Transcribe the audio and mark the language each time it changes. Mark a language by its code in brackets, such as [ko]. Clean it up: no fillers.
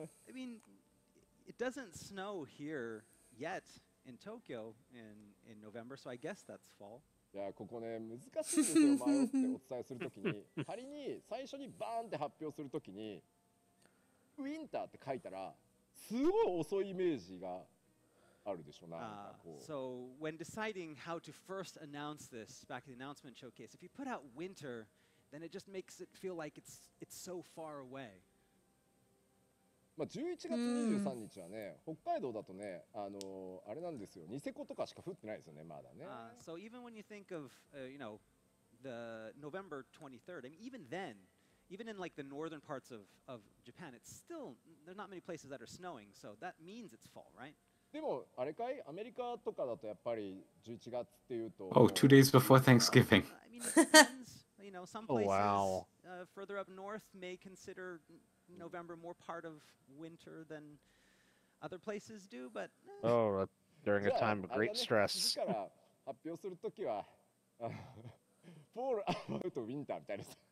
[en] I mean, it doesn't snow here yet in Tokyo in November, so I guess that's fall. [ja] いやここね難しいですよ、迷ってお伝えするときに仮に最初にバーンって発表するときにウィンターって書いたらすごい遅いイメージがあるでしょうな。 [en] So when deciding how to first announce this back in the announcement showcase, if you put out winter, then it just makes it feel like it's so far away. [ja] まあ11月23日はね、北海道だとね、あれなんですよ、ニセコとかしか降ってないですよね、まだね。 [en] So even when you think of, you know, the November 23rd, I mean, even then,even in like the northern parts of Japan, it's still, there are not many places that are snowing, so that means it's fall, right? [ja] でもあれかい？アメリカとかだとやっぱり11月っていうと… [en] Oh, 2 days before Thanksgiving. I mean, it depends. You know, some places、 oh, wow. Further up north may consider November more part of winter than other places do, but…、 Oh, during a time of great stress. [ja] じゃあ、あれだね、次から発表するときは、 fall about winter みたいな。